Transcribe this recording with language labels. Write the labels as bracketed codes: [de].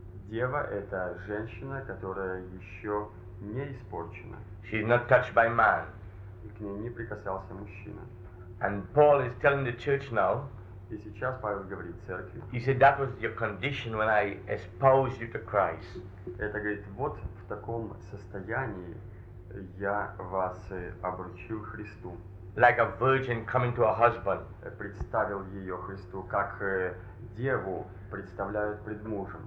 [ru] Дева — это женщина, которая еще не испорчена. [en] She is not touched by man. [ru] И к ней не прикасался мужчина. [en] And Paul is telling the church now. [ru] И сейчас Павел говорит церкви. [en] He said that was your condition when I espoused you to Christ. [ru] Это говорит, вот в таком состоянии я вас обручил Христу. [en] Like a virgin coming to a husband. [ru] Представил ее Христу, как деву представляют пред мужем.